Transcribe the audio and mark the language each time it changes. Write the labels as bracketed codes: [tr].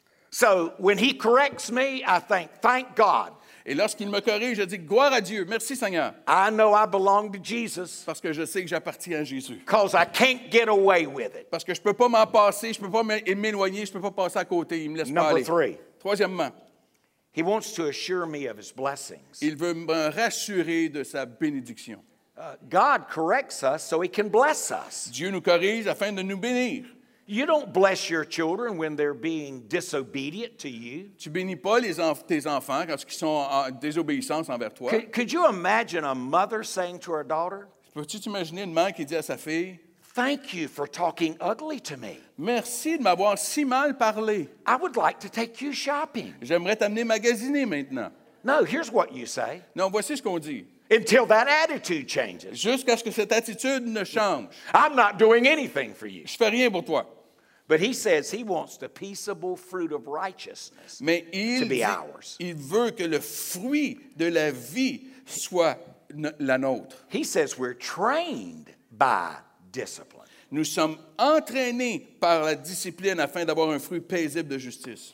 [en] So when he corrects me, I think, thank God. [fr] Et lorsqu'il me corrige, je dis, gloire à Dieu, merci Seigneur. [en] I know I belong to Jesus. [fr] Parce que je sais que j'appartiens à Jésus. [en] Because I can't get away with it. [fr] Parce que je ne peux pas m'en passer, je ne peux pas m'éloigner, je ne peux pas passer à côté, il ne me laisse [en] Number [fr] pas aller. [en] Three. [fr] Troisièmement, [en] he wants to assure me of his blessings. [fr] Il veut me rassurer de sa bénédiction. [en] God corrects us so he can bless us. [fr] Dieu nous corrige afin de nous bénir. [en] You don't bless your children when they're being disobedient to you. [fr] Tu bénis pas tes enfants quand ils sont en désobéissance envers toi. [en] Could you imagine a mother saying to her daughter? [fr] Peux-tu t'imaginer une mère qui dit à sa fille? [en] Thank you for talking ugly to me. [fr] Merci de m'avoir si mal parlé. [en] I would like to take you shopping. [fr] J'aimerais t'amener magasiner maintenant. [en] No, here's what you say. [fr] Non, voici ce qu'on dit. [en] Until that attitude changes. [fr] Jusqu'à ce que cette attitude ne change. [en] I'm not doing anything for you. [fr] Je fais rien pour toi. [en] But he says he wants the peaceable fruit of righteousness [fr] mais il [en] to be ours. [fr] Il veut que le fruit de la vie soit la nôtre. [en] He says we're trained by discipline. [fr] Nous sommes entraînés par la discipline afin d'avoir un fruit paisible de justice.